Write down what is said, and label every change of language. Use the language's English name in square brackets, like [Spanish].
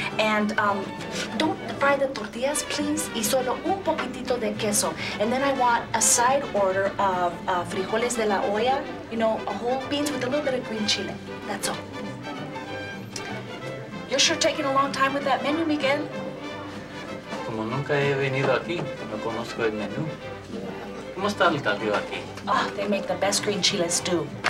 [English] And don't fry the tortillas, please. [Spanish] Y solo un poquitito de queso. [English] And then I want a side order of frijoles de la olla. You know, a whole beans with a little bit of green chile. That's all. You're sure taking a long time with that menu, Miguel. [Spanish] Como nunca he venido aquí, no conozco el menú. ¿Cómo está el caldo aquí? [English] Oh, they make the best green chile stew.